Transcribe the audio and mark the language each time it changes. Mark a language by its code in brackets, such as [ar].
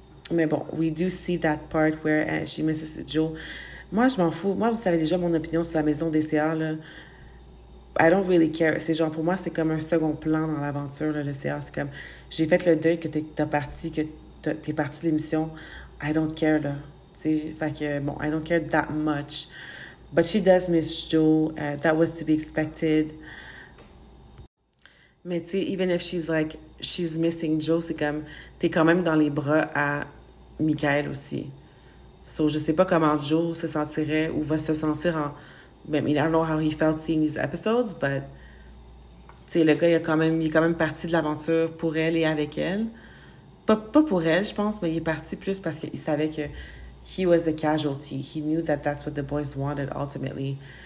[fr] Mais bon, [en] we do see that part where she misses Joe. [fr] Moi, je m'en fous. Moi, vous savez déjà mon opinion sur la maison des CA, là. [en] I don't really care. [fr] C'est genre, pour moi, c'est comme un second plan dans l'aventure, là, le CA. C'est comme, j'ai fait le deuil que t'es parti de l'émission. [en] I don't care, là. [fr] T'sais, fait que, bon, [en] I don't care that much. But she does miss Joe. That was to be expected. [fr] Mais t'sais, [en] even if she's like, she's missing Joe, [fr] c'est comme, t'es quand même dans les bras à Michael aussi. So, je sais pas comment Joe se sentirait ou va se sentir en... [en] I mean, I don't know how he felt seeing these episodes, but... [fr] T'sais, le gars, il est quand même parti de l'aventure pour elle et avec elle. Pas pour elle, je pense, mais il est parti plus parce qu'il savait que... [en] He was the casualty. He knew that that's what the boys wanted, ultimately.